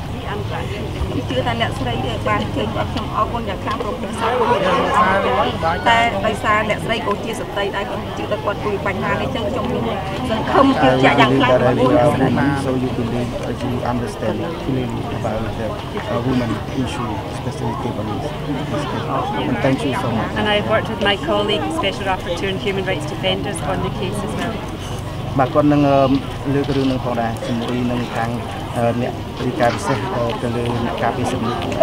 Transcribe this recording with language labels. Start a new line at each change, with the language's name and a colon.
Khmer: ខ្ញុំជឿថាអ្នកស្រីដែលបានជួយគាត់ខ្ញុំអរគុណយ៉ាងខ្លាំងព្រោះខ្ញុំសារគាត់តែដោយសារអ្នកស្រីក៏ជាស្ត្រីដែរគាត់ជឿថាគាត់ជួយបញ្ហានេះចឹងខ្ញុំមានសង្ឃឹមជឿជាក់យ៉ាងខ្លាំង ពីគាត់ណា
English: So you can believe you understand clearly about a woman issue especially Cambodia and thank you so much and I've worked with my colleague special rapporteur on human rights defenders on the case as well
Khmer: បាទគាត់នឹងលើករឿងនឹងផងដែរជាមួយនឹងខាងអ្នកពិការពិសេសទៅលើអ្នកការពិសេសនេះ